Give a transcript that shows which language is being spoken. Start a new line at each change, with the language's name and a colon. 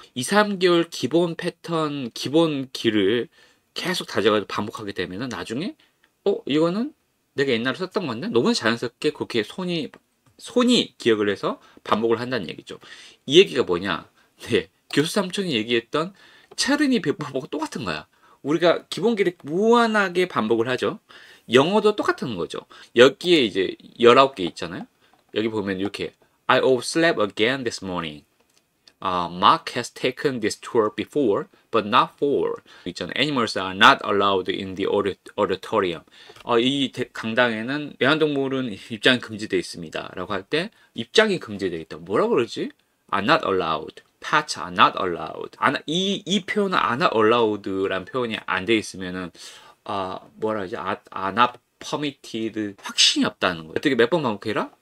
Korean: 2, 3개월 기본 패턴, 기본 기를 계속 다져가지고 반복하게 되면은 나중에 이거는 내가 옛날에 썼던 건데 너무 자연스럽게 그렇게 손이 기억을 해서 반복을 한다는 얘기죠. 이 얘기가 뭐냐? 네, 교수 삼촌이 얘기했던 체르니 배포법과 똑같은 거야. 우리가 기본 기를 무한하게 반복을 하죠. 영어도 똑같은 거죠. 여기에 이제 19개 있잖아요. 여기 보면 이렇게
English: I overslept again this morning. Mark has taken this tour before, but not for. Animals are not allowed in the auditorium.
Korean: 이 강당에는 애완동물은 입장이 금지되어 있습니다. 라고 할 때 입장이 금지되어 있다. 뭐라 그러지?
English: Are not allowed. Pets are not allowed.
Korean: 이 표현은
English: are not allowed
Korean: 라는 표현이 안 되어 있으면은 뭐라 하지?
English: Are not permitted.
Korean: 확신이 없다는 거예요. 어떻게 몇 번 반복해라?